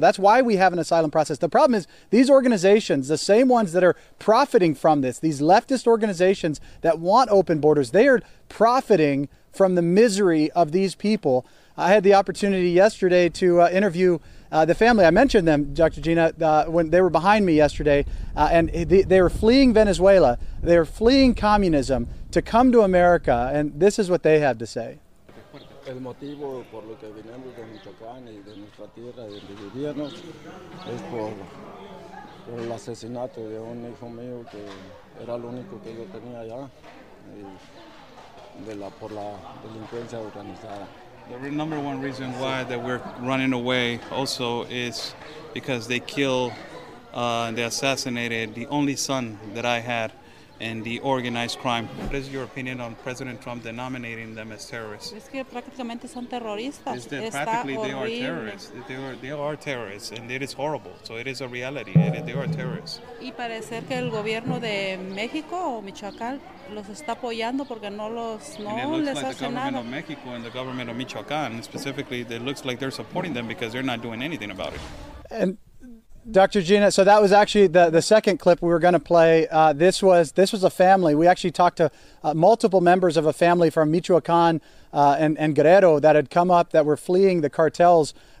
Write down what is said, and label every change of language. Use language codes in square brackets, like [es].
[en] That's why we have an asylum process. The problem is these organizations, the same ones that are profiting from this, these leftist organizations that want open borders, they are profiting from the misery of these people. I had the opportunity yesterday to interview the family. I mentioned them, Dr. Gina, when they were behind me yesterday, and they were fleeing Venezuela. They were fleeing communism to come to America, and this is what they had to say. [es] El motivo por lo que venimos de Michoacán y de nuestra tierra, de donde vivíamos, es por el asesinato de un hijo mío que era el único que yo tenía allá, y por la delincuencia organizada. [en] The number one reason why that we're running away also is because they killed, they assassinated the only son that I had in the organized crime. What is your opinion on President Trump denominating them as terrorists? [es] Es que prácticamente son terroristas. [en] Is that practically they are terrorists? They are terrorists, and it is horrible. So it is a reality. They are terrorists. [es] Y parece que el gobierno de México o Michoacán los está apoyando porque no los no les hace nada. [en] It looks like the government of Mexico and the government of Michoacán, specifically, it looks like they're supporting them because they're not doing anything about it. And Dr. Gina, so that was actually the second clip we were going to play. This was a family. We actually talked to multiple members of a family from Michoacán and Guerrero that had come up that were fleeing the cartels.